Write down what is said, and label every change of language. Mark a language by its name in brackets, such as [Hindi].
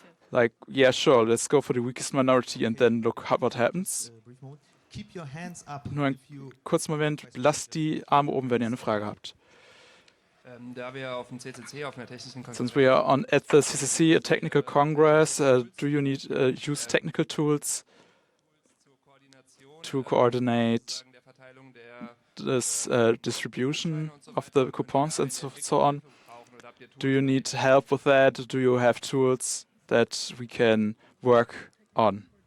[English] Like, yeah, sure, let's go for the weakest minority and then look what happens. Keep your hands up. [German] Nur ein kurzer Moment, lasst die Arme oben, wenn ihr eine Frage habt. Da wir auf dem CCC, auf einer technischen Konferenz... [English] Since we are on at the CCC, a technical congress, do you need use technical tools to coordinate this distribution of the coupons and so on? Do you need help with that? Do you have tools that we can work on?